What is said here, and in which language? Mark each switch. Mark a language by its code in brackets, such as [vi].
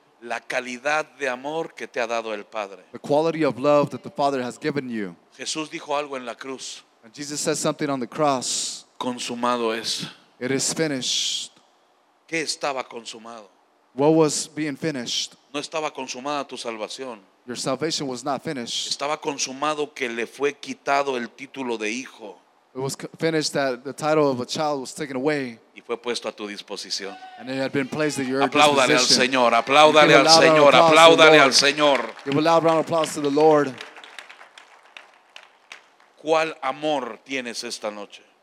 [es] La calidad de amor que te ha dado el Padre. [en] The quality of love that the Father has given you. [es] Jesús dijo algo en la cruz. [en] And Jesus says something on the cross. [es] Consumado es. [en] It is finished. [es] ¿Qué estaba consumado? [en] What was being finished? [es] No estaba consumada tu salvación. [en] Your salvation was not finished. [es] Estaba consumado que le fue quitado el título de hijo. [en] It was finished that the title of a child was taken away. [es] Y fue puesto a tu disposición. [en] And it had been placed at your [es] apláudale [en] disposition. [es] Al Señor, apláudale al Señor, apláudale al Señor. [en] Give a loud round of applause to the Lord. [es] ¿Cuál amor tienes esta noche?